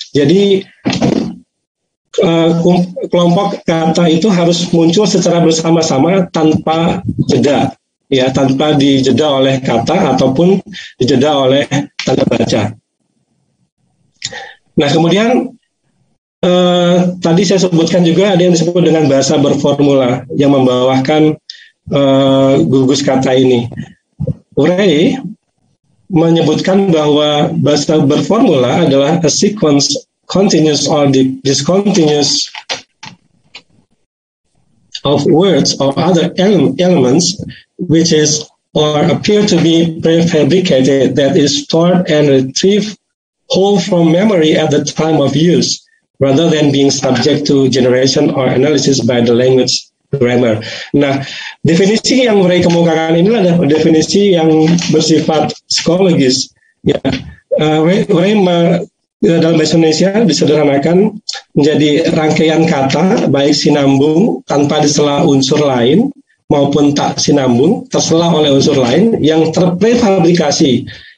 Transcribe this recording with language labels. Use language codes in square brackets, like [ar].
[id] Jadi kelompok kata itu harus muncul secara bersama-sama tanpa jeda, ya, tanpa dijeda oleh kata ataupun dijeda oleh tanda baca. Nah, kemudian tadi saya sebutkan juga ada yang disebut dengan bahasa berformula yang membawakan gugus kata ini. Urey menyebutkan bahwa bahasa berformula adalah [en] a sequence continuous or discontinuous of words or other elements which is or appear to be prefabricated that is stored and retrieved whole from memory at the time of use rather than being subject to generation or analysis by the language grammar. [id] Nah, definisi yang mereka kemukakan ini adalah definisi yang bersifat psikologis, ya. Dalam bahasa Indonesia disederhanakan menjadi rangkaian kata baik sinambung tanpa disela unsur lain maupun tak sinambung tersela oleh unsur lain yang terprefabrikasi.